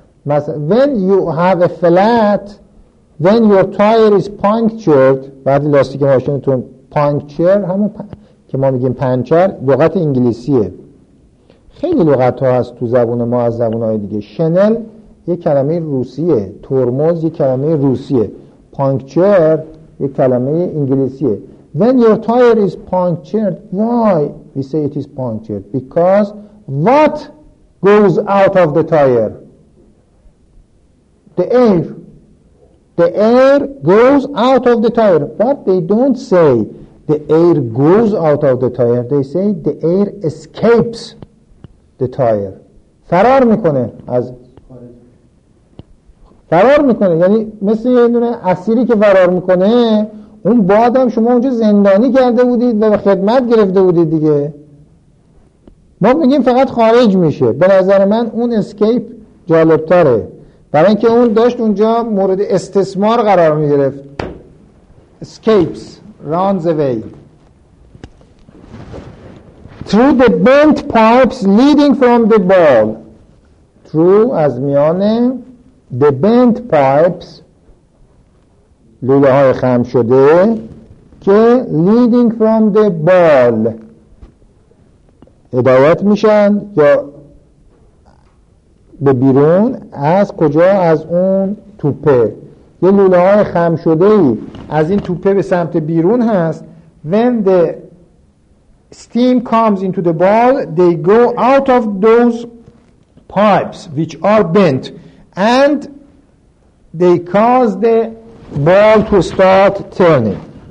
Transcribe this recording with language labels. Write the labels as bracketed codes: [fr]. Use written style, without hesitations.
[fa] مثلا [en] when you have a flat, when your tire is punctured, [fa] بعد لاستیک ماشینتون puncture همون که ما میگیم پنچر لغت انگلیسیه. خیلی لغت ها هست تو زبون ما از زبون های دیگه. شنل یه کلمه روسیه، ترمز یه کلمه روسیه، پانکچر یه کلمه انگلیسیه. [en] When your tire is punctured, why we say it is punctured? Because what goes out of the tire? The air. The air goes out of the tire. But they don't say the air goes out of the tire. They say the air escapes the tire. [fa] فرار میکنه از فرار میکنه، یعنی مثل یه دونه اسیری که فرار میکنه، اون باد هم شما اونجا زندانی کرده بودید و خدمت گرفته بودید دیگه. ما میگیم فقط خارج میشه. به نظر من اون اسکیپ جالبتره، برای اینکه اون داشت اونجا مورد استثمار قرار میگرفت. [en] Escapes, runs away. Through the bent pipes leading from the ball. [fa] Through از میانه [en] the bent pipes، [fa] لوله های خم شده که [en] leading from the ball [fa] هدایت میشن یا به بیرون از کجا؟ از اون توپه، یه لوله های خم شده ای از این توپه به سمت بیرون هست. [en] When the steam comes into the ball, they go out of those pipes which are bent and they cause the ball to start turning.